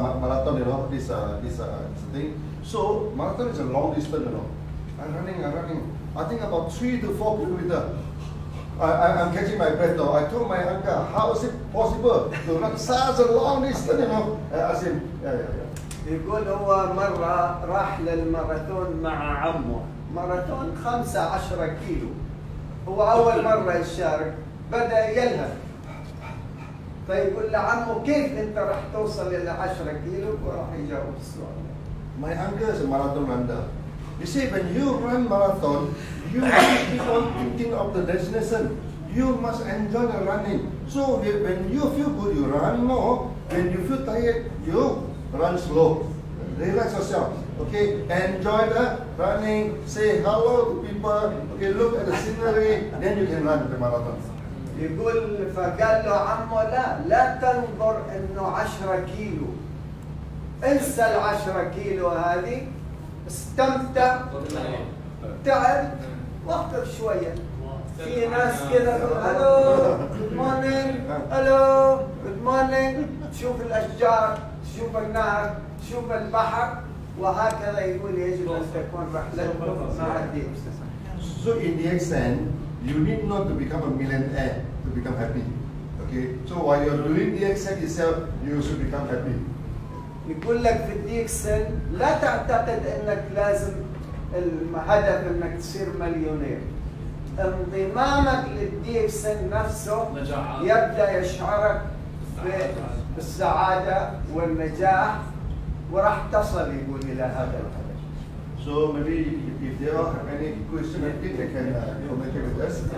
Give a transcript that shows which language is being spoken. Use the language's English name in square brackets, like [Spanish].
[English] Marathon, you know, this thing. So marathon is a long distance, you know. I'm running. I think about 3 to 4 kilometers. I'm catching my breath though. I told my uncle, how is it possible to run such a long distance, you know? I said, [Arabic] يقول هو مرة راح للماراثون مع عمه. ماراثون 15 كيلو. هو أول مرة يشارك. بدأ يلهث. فيقول لعمه كيف انت راح توصل الى 10 كيلو وراح يجاوب السؤال. [English] My uncle is a marathon runner. You see, when you run marathon, you must keep on thinking of the destination. You must enjoy the running. So when you feel good, you run more. When you feel tired, you run slow. Relax yourself. Okay? Enjoy the running. Say hello to people. Okay, look at the scenery. Then you can run the marathon. [Arabic] يقول فقال له عمه لا تنظر انه 10 كيلو انسى ال 10 كيلو هذه استمتع تعب وقف شويه في ناس كذا [English] hello good morning hello good morning [Arabic] تشوف الاشجار تشوف النهر تشوف البحر وهكذا يقول يجب ان تكون رحلتكم مع الدين [English] So in the extent you need not to become a millionaire to become happy. Okay? So while you're doing the DXN itself, you should become happy. [Arabic] يقول لك في DXN لا تعتقد انك لازم الهدف انك تصير مليونير. انضمامك للDXN نفسه يبدأ يشعرك بالسعادة والنجاح وراح تصل يقول الى هذا الهدف. [English] So maybe if there are any questions, they can communicate with us.